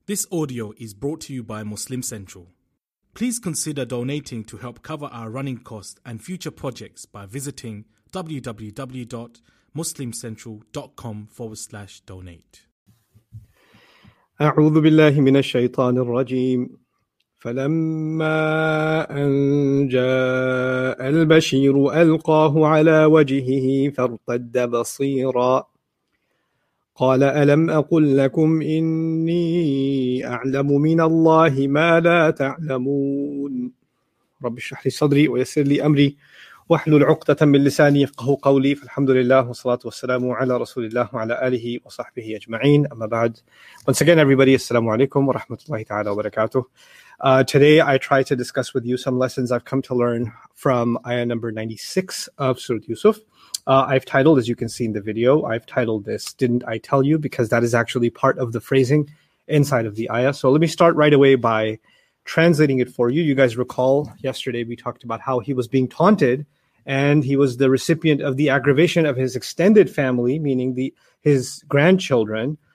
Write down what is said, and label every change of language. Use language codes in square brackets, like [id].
[en] This audio is brought to you by Muslim Central. Please consider donating to help cover our running costs and future projects by visiting www.muslimcentral.com/donate. [ar] أعوذ بالله من الشيطان الرجيم. فلما أن جاء البشير ألقاه على وجهه فارتد بصيرا. قال ألم أقل لكم إني أعلم من الله ما لا تعلمون رب اشرح لي صدري ويسر لي أمري واحلل عقدة من لساني يفقه قولي فالحمد لله والصلاة والسلام على رسول الله وعلى آله وصحبه أجمعين أما بعد [en] Once again everybody [ar] السلام عليكم ورحمة الله تعالى وبركاته [en] Today I try to discuss with you some lessons I've come to learn from ayah number 96 of Surah Yusuf. I've titled, as you can see in the video, I've titled this, Didn't I Tell You? Because that is actually part of the phrasing inside of the ayah. So let me start right away by translating it for you. You guys recall yesterday we talked about how he was being taunted and he was the recipient of the aggravation of his extended family, meaning his grandchildren.